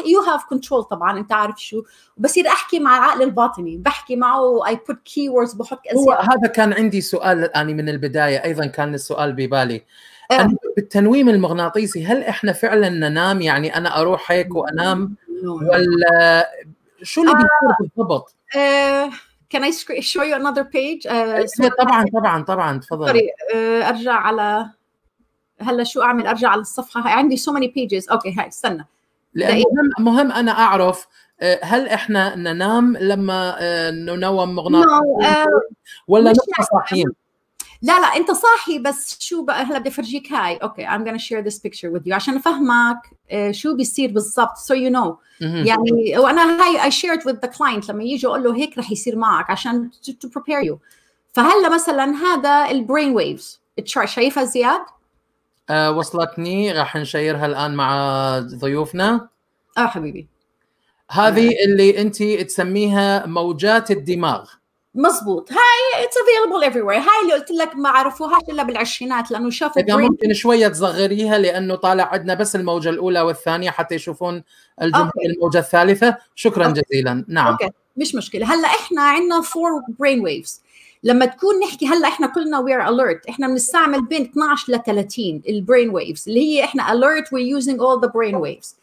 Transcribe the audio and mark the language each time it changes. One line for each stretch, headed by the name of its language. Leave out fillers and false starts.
English: You have control
Arabic: طبعا, أنت عارف شو, وبصير أحكي مع العقل الباطني, بحكي معه,
English: I put keywords,
Arabic: بحط أزياء. هذا كان عندي سؤال يعني من البداية أيضا, كان السؤال ببالي بالتنويم المغناطيسي, هل إحنا فعلاً ننام؟ يعني أنا أروح هيك وأنام, ولا شو اللي بيصير بالضبط؟
English: Can I show you another page?
Arabic: طبعاً طبعاً طبعاً, تفضل. أرجع على هلأ شو أعمل, أرجع على الصفحة, عندي
English: so many pages.
Arabic: أوكي, هاي استنى. مهم أنا أعرف هل إحنا ننام لما ننوم مغناطيسي ولا نحن صاحيين؟ لا انت صاحي, بس شو بقى هلا بدي افرجيك. هاي اوكي,
English: I'm gonna share this picture with you
Arabic: عشان افهمك شو بيصير بالضبط,
English: so you know.
Arabic: يعني وانا هاي
English: I shared with the client,
Arabic: لما يجي اقول له هيك رح يصير معك عشان
English: to prepare you.
Arabic: فهلا مثلا هذا البرين ويفز, شايفها زياد؟ وصلتني, رح نشيرها الان مع ضيوفنا. حبيبي, هذه اللي انت تسميها موجات الدماغ. مظبوط, هاي
English: it's available everywhere.
Arabic: هاي اللي قلت لك ما عرفوهاش إلا بالعشرينات, لأنه شافوا إذا ممكن شوية تصغريها, لأنه طالع عندنا بس الموجة الأولى والثانية حتى يشوفون الجمهور. أوكي. الموجة الثالثة, شكرا. أوكي. جزيلا. نعم. أوكي. مش مشكلة. هلأ إحنا عندنا 4 brain waves. لما تكون نحكي هلأ إحنا كلنا
English: we are alert,
Arabic: إحنا بنستعمل بين 12 ل 30 brain waves, اللي هي إحنا alert,
English: we're using all the brain waves.